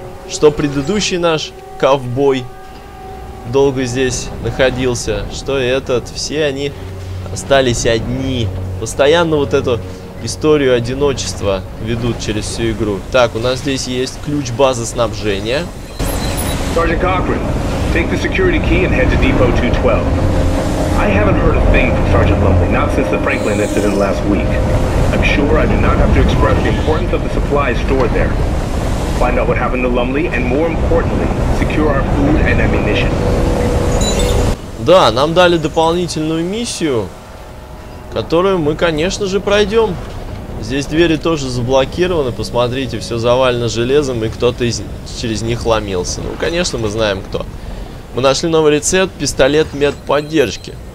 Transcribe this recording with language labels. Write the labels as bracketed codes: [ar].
[ru] Что предыдущий наш ковбой долго здесь находился. Что этот, все они... Остались одни. Постоянно вот эту историю одиночества ведут через всю игру. Так, у нас здесь есть ключ базы снабжения. Сержант Кокрин, возьми [en] security key and head to depot 212. I haven't heard a thing from Sergeant Lumley, not since the Franklin incident last week. I'm sure I do not have to express the importance of the supplies stored there. Find out what happened to Lumley and more importantly, secure our food and ammunition. [ru] Да, нам дали дополнительную миссию, которую мы, конечно же, пройдем. Здесь двери тоже заблокированы, посмотрите, все завалено железом, и кто-то через них ломился. Ну, конечно, мы знаем, кто. Мы нашли новый рецепт, пистолет медподдержки.